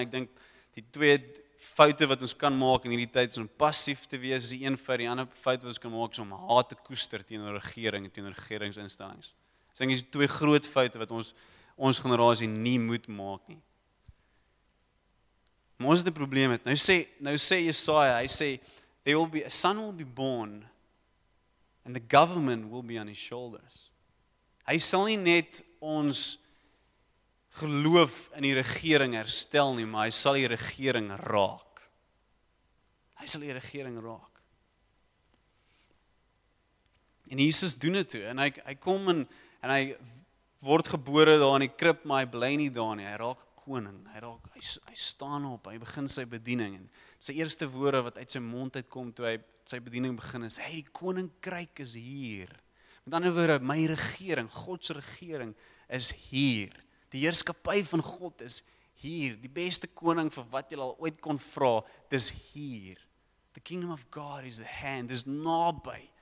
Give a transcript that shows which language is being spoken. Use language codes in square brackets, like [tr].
[af] Ek dink die twee foute wat ons kan maak in hierdie tyd is om passief te wees, is die een vir die ander fout wat ons kan maak is om haat te koester teenoor regering en teenoor regeringsinstellings. Ek dink dis twee groot foute wat ons generasie nie moet maak nie. Maar ons het 'n probleem met. Nou sê Jesaja, hy sê [en] there will be a son will be born and the government will be on his shoulders. [af] Hy sal nie net ons geloof in die regering herstel nie, maar hy sal die regering raak. En Jesus doen dit toe en hy kom en hy word gebore daar in die krib, maar hy bly nie daar nie. Hy raak koning. Hy staan op. Hy begin sy bediening en sy eerste woorde wat uit sy mond uitkom toe hy sy bediening begin is, "Hey, die koninkryk is hier." Met ander woorde, my regering, God se regering is hier. Die heerskappy van God is hier. Die beste koning vir wat jy al ooit kon vra, dis hier. [en] The kingdom of God is the hand, [af] dis naby.